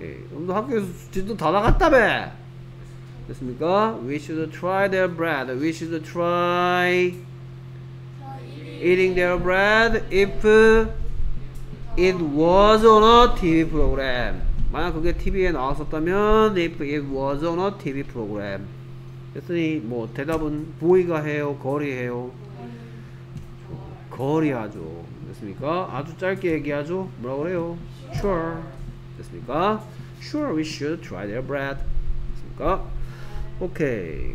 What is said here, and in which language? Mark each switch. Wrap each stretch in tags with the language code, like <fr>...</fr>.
<ko>좀 더 학교에서 진도 다 나갔다며. 됐습니까?</ko> <en>We should try their bread. We should try eating their bread if it was on a TV program.</en> <ko>만약 그게 TV에 나왔었다면</ko> <en>if it was on a TV program.</en> <ko>그랬더니 뭐 대답은 보이가 해요? 거리 해요? 거리 하죠. 됐습니까? 아주 짧게 얘기하죠? 뭐라고 그래요?</ko> <en>Sure.</en> <ko>됐습니까?</ko> <en>Sure, we should try their bread.</en> <ko>됐습니까? 오케이.</ko>